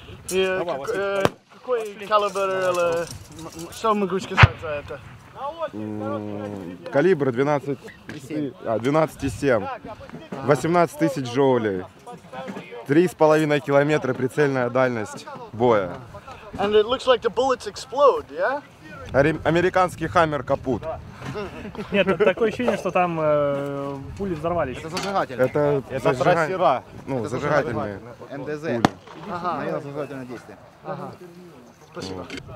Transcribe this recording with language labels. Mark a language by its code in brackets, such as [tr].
[ru] Да. Какой калибр, что могу сказать за это? Калибр 12,7, 18 тысяч джоулей, 3,5 километра прицельная дальность боя. [en] And it looks like the bullets explode, yeah? [ru] Американский хаммер капут. Нет, такое ощущение, что там пули взорвались. Это зажигатель. Это трассера. Ну, зажигательные. МДЗ. Ага. Зажигательное действие. Спасибо.